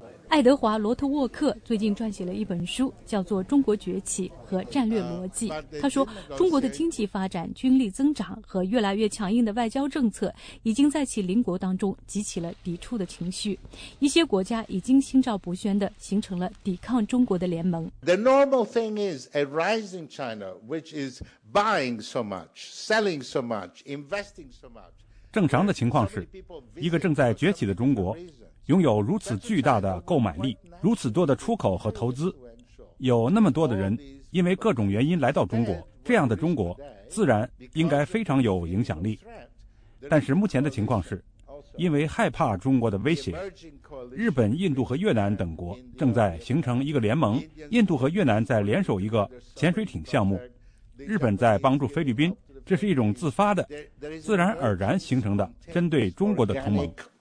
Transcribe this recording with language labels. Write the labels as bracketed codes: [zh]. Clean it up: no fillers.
[zh] 爱德华·罗特沃克最近撰写了一本书，叫做《中国崛起和战略逻辑》。他说，中国的经济发展、军力增长和越来越强硬的外交政策已经在其邻国当中激起了抵触的情绪。一些国家已经心照不宣地形成了抵抗中国的联盟。 [en] The normal thing is a rising China, which is buying so much, selling so much, investing so much. [zh] 正常的情况是，一个正在崛起的中国拥有如此巨大的购买力，如此多的出口和投资，有那么多的人因为各种原因来到中国，这样的中国自然应该非常有影响力。但是目前的情况是，因为害怕中国的威胁，日本、印度和越南等国正在形成一个联盟，印度和越南在联手一个潜水艇项目，日本在帮助菲律宾，这是一种自发的、自然而然形成的针对中国的同盟。